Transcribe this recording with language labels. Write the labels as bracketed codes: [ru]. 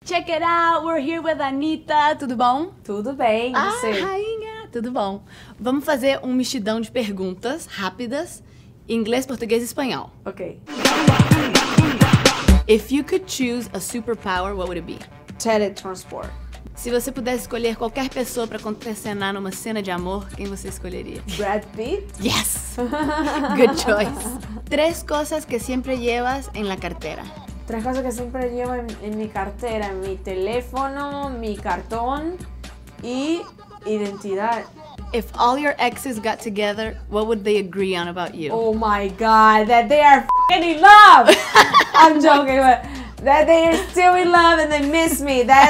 [en] Check it out, we're here with Anitta, [pt] tudo bom? Tudo bem, Ah, você? rainha, tudo bom. Vamos fazer um mexidão de perguntas rápidas, em inglês, português e espanhol. [en] Ok. If you could choose a superpower, what would it be? Teletransport. [pt] Se você pudesse escolher qualquer pessoa para contracenar numa cena de amor, quem você escolheria? [en] Brad Pitt? Yes! Good choice. [pt] Três coisas que sempre [es] llevas en la cartera. Tres cosas que siempre llevo en mi cartera: mi teléfono, mi cartón y identidad. [en] If all your exes got together, what would they agree on about you? Oh my God, that they are f***ing in love. I'm joking, but that they are still in love and they miss me.